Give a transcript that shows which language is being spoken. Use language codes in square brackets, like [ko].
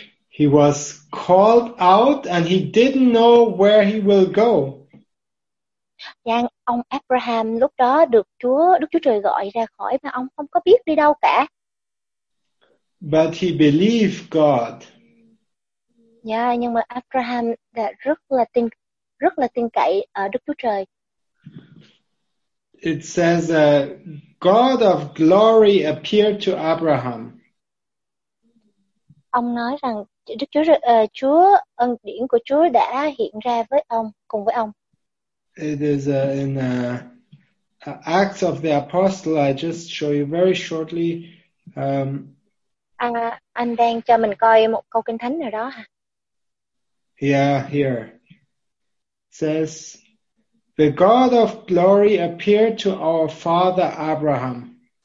[en] He was called out and he didn't know where he will go. [vi] Yeah, ông Abraham lúc đó được Đức Chúa Trời gọi ra khỏi mà ông không có biết đi đâu cả. [en] But he believed God. [vi] Yeah, nhưng mà Abraham đã rất là tin cậy ở Đức Chúa Trời. [en] It says a God of glory appeared to Abraham. [vi] Ông nói rằng Đức Chúa Chúa ân điển của Chúa đã hiện ra với ông, cùng với ông. [en] It is in Acts of the Apostle. I just show you very shortly. [vi] Anh đang cho mình coi một câu kinh thánh nào đó hả? [en] Yeah, here. It says, the God of glory appeared to our father Abraham.